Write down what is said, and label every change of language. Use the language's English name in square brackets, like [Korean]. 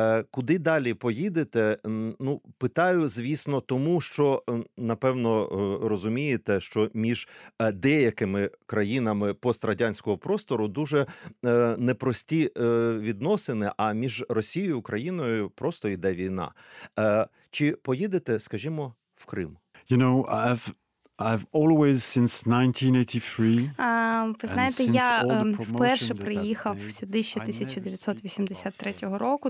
[Ukrainian] Куди далі поїдете? Ну, питаю, звісно, тому що, напевно, розумієте, що між деякими країнами пострадянського простору дуже непрості відносини, а між Росією і Україною просто йде війна. Чи поїдете, скажімо, в Крим? [English] You know, I've always since 1983. [Ukrainian] Знаєте, я вперше приїхав сюди ще 1983 року.